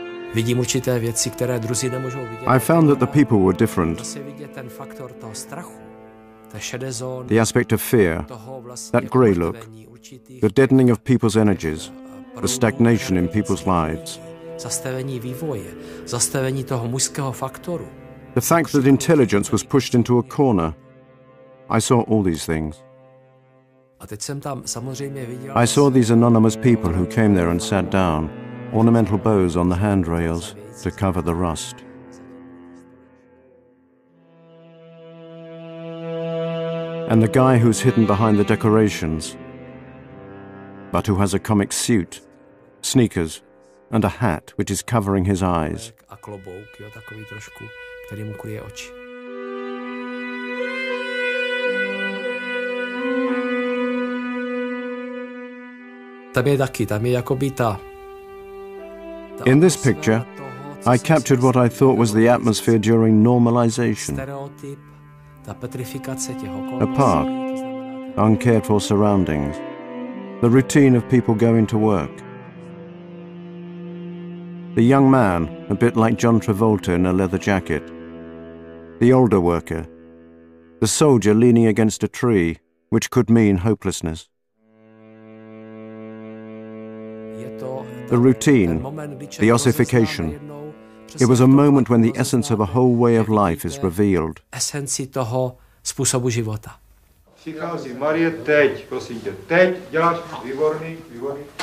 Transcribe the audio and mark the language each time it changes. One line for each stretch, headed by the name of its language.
English: I found that the people were different. The aspect of fear, that grey look, the deadening of people's energies, the stagnation in people's lives.
Czech: Zastavení vývoje, zastavení toho mužského faktoru.
English: The fact that intelligence was pushed into a corner. I saw all these things.
Czech: A teď jsem tam samozřejmě viděl...
English: I saw these anonymous people who came there and sat down, ornamental bows on the handrails to cover the rust. And the guy who's hidden behind the decorations, but who has a comic suit, sneakers, and a hat which is covering his eyes.
Czech: A klobouk, jo, takový trošku, který mu kryje oči. Tam je taky, tam je jakoby ta...
English: In this picture, I captured what I thought was the atmosphere during normalization.
Czech: Stereotyp, ta petrifikace těch okolností.
English: A park, uncared for surroundings, the routine of people going to work. The young man, a bit like John Travolta in a leather jacket. The older worker. The soldier leaning against a tree, which could mean hopelessness. The routine, the ossification. It was a moment when the essence of a whole way of life is revealed.
Czech: Esenci toho způsobu života. Přichází Marie, teď, prosím tě, teď, děláš výborný, výborný.